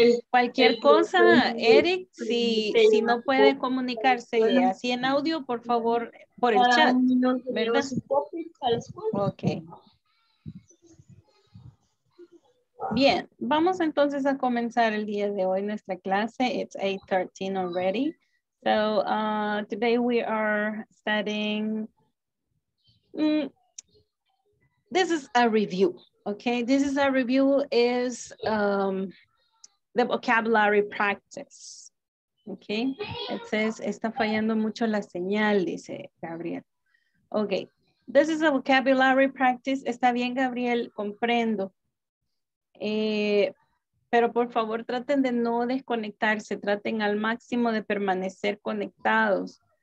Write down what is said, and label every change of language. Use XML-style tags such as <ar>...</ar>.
<es>Cualquier cosa, Eric, si no puede comunicarse así en audio, por favor, por el chat, ¿verdad? Ok. Bien, vamos entonces a comenzar el día de hoy nuestra clase.</es> <en>It's 8:13 already. So today we are studying, this is a review, okay? This is a review is the vocabulary practice, okay? It says,</en> <es>está fallando mucho la señal, dice Gabriel.</es> <en>Okay, this is a vocabulary practice.</en> <es>Está bien, Gabriel, comprendo. Pero por favor traten de no desconectarse, traten al máximo de permanecer conectados.</es>